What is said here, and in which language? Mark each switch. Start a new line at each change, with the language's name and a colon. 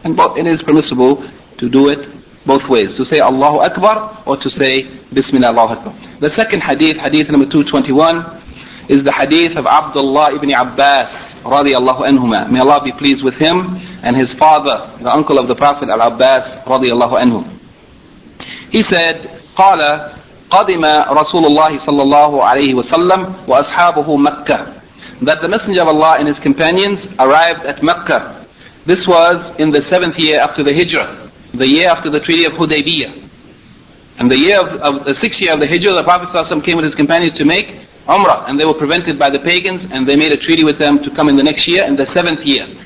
English: And both, it is permissible to do it both ways, to say Allahu Akbar or to say Bismillah Allahu Akbar. The second hadith, hadith number 221, is the hadith of Abdullah ibn Abbas, radiallahu anhuma. May Allah be pleased with him and his father, the uncle of the Prophet Al-Abbas, radiallahu anhum. He said,
Arabic: قال قدم رسول الله صلى الله عليه وسلم وأصحابه مكة.
English: That the Messenger of Allah and his companions arrived at Mecca. This was in the 7th year after the Hijrah, the year after the Treaty of Hudaybiyah. And the year of the 6th year of the Hijrah, the Prophet ﷺ came with his companions to make Umrah, and they were prevented by the pagans, and they made a treaty with them to come in the next year, in the 7th year.